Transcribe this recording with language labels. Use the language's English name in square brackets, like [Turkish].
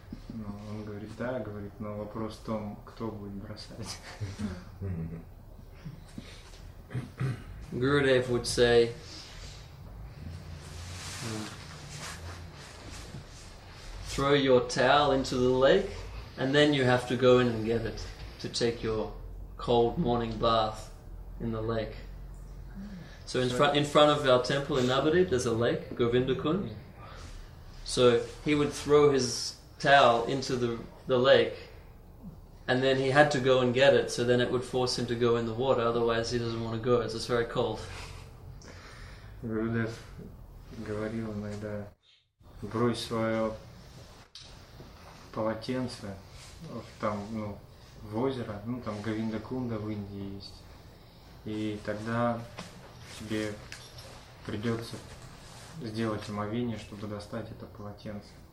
[Russian] Но он говорит, да, говорит, но вопрос в том, кто будет бросать. [English] Gurudev would say, throw your towel into the lake, and then you have to go in and get it to take your cold morning bath in the lake. So in front of our temple in Nabadi, there's a lake, Govindakund. So he would throw his towel into the lake, and then he had to go and get it, so then it would force him to go in the water, otherwise he doesn't want to go, it's very cold. [Russian] Gurudev говорил иногда, брось свое полотенце там, ну, в озеро, ну там Говиндакунда в Индии есть, и тогда тебе придется сделать омовение, чтобы достать это полотенце.